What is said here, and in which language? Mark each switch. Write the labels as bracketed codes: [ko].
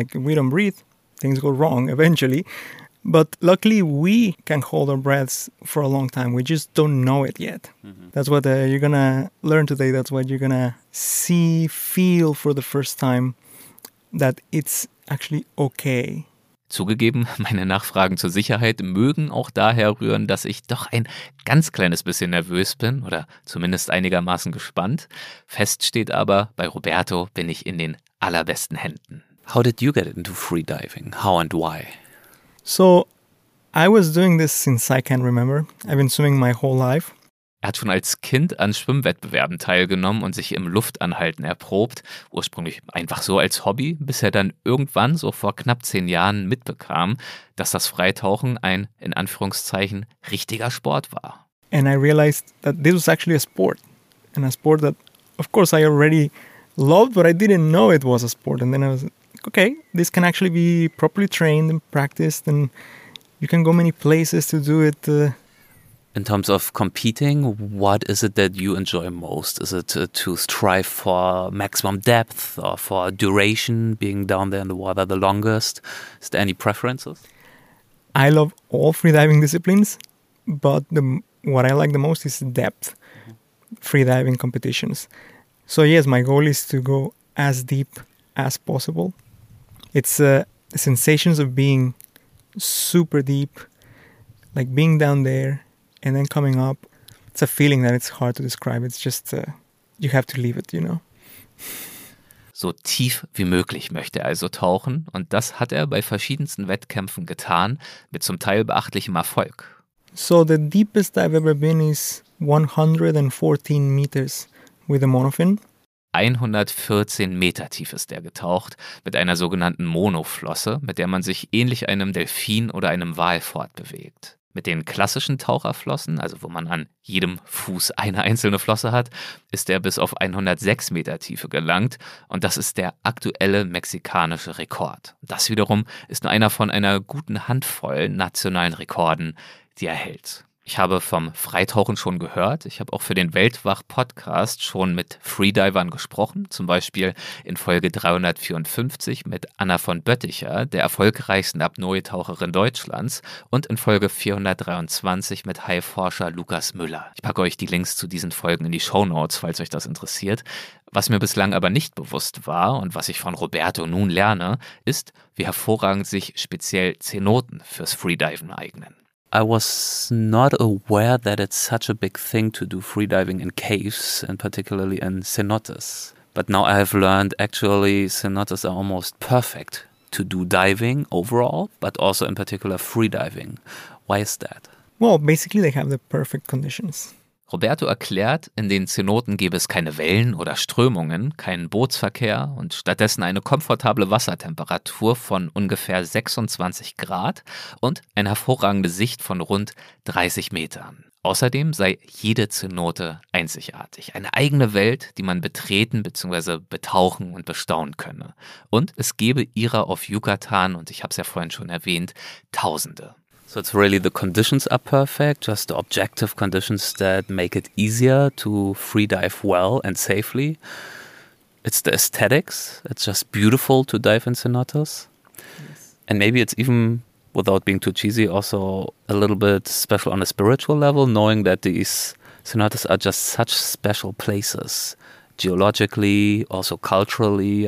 [en] Like, if we don't breathe, things go wrong eventually. But luckily, we can hold our breaths for a long time. We just don't know it yet. Mm-hmm. That's what you're going to learn today. That's what you're going to see, feel for the first time, that it's actually okay. [de] Zugegeben, meine Nachfragen zur Sicherheit mögen auch daher rühren, dass ich doch ein ganz kleines bisschen nervös bin oder zumindest einigermaßen gespannt. Fest steht aber, bei Roberto bin ich in den allerbesten Händen. [en] How did you get into freediving? How and why? So, I was doing this since I can remember. I've been swimming my whole life. [de] Er hat schon als Kind an Schwimmwettbewerben teilgenommen und sich im Luftanhalten erprobt. Ursprünglich einfach so als Hobby, bis er dann irgendwann, so vor knapp 10 Jahren, mitbekam, dass das Freitauchen ein, in Anführungszeichen, richtiger Sport war. [en] And I realized that this was actually a sport. And a sport that, of course, I already loved, but I didn't know it was a sport. And then I was... okay, this can actually be properly trained and practiced, and you can go many places to do it. In terms of competing, what is it that you enjoy most? Is it to strive for maximum depth or for duration, being down there in the water the longest? Is there any preferences? I love all freediving disciplines, but what I like the most is depth, freediving competitions. So yes, my goal is to go as deep as possible. It's the sensations of being super deep, like being down there and then coming up. It's a feeling that it's hard to describe. It's just, you have to leave it, you know. [de] So tief wie möglich möchte er also tauchen. Und das hat er bei verschiedensten Wettkämpfen getan, mit zum Teil beachtlichem Erfolg. [en] So the deepest I've ever been is 114 meters with a monofin. [de] 114 Meter tief ist er getaucht, mit einer sogenannten Monoflosse, mit der man sich ähnlich einem Delfin oder einem Wal fortbewegt. Mit den klassischen Taucherflossen, also wo man an jedem Fuß eine einzelne Flosse hat, ist er bis auf 106 Meter Tiefe gelangt und das ist der aktuelle mexikanische Rekord. Das wiederum ist nur einer von einer guten Handvoll nationalen Rekorden, die er hält. Ich habe vom Freitauchen schon gehört. Ich habe auch für den Weltwach-Podcast schon mit Freedivern gesprochen, zum Beispiel in Folge 354 mit Anna von Bötticher, der erfolgreichsten Apnoe-Taucherin Deutschlands, und in Folge 423 mit Haiforscher Lukas Müller. Ich packe euch die Links zu diesen Folgen in die Shownotes, falls euch das interessiert. Was mir bislang aber nicht bewusst war und was ich von Roberto nun lerne, ist, wie hervorragend sich speziell Zenoten fürs Freediven eignen. [en] I was not aware that it's such a big thing to do freediving in caves and particularly in cenotes. But now I have learned actually cenotes are almost perfect to do diving overall, but also in particular freediving. Why is that? Well, basically they have the perfect conditions. [de] Roberto erklärt, in den Zenoten gäbe es keine Wellen oder Strömungen, keinen Bootsverkehr und stattdessen eine komfortable Wassertemperatur von ungefähr 26 Grad und eine hervorragende Sicht von rund 30 Metern. Außerdem sei jede Zenote einzigartig, eine eigene Welt, die man betreten bzw. betauchen und bestaunen könne. Und es gäbe ihrer auf Yucatan, und ich habe es ja vorhin schon erwähnt, Tausende. [en] So it's really the conditions are perfect, just the objective conditions that make it easier to freedive well and safely. It's the aesthetics. It's just beautiful to dive in cenotes. Yes. And maybe it's even, without being too cheesy, also a little bit special on a spiritual level, knowing that these cenotes are just such special places, geologically, also culturally.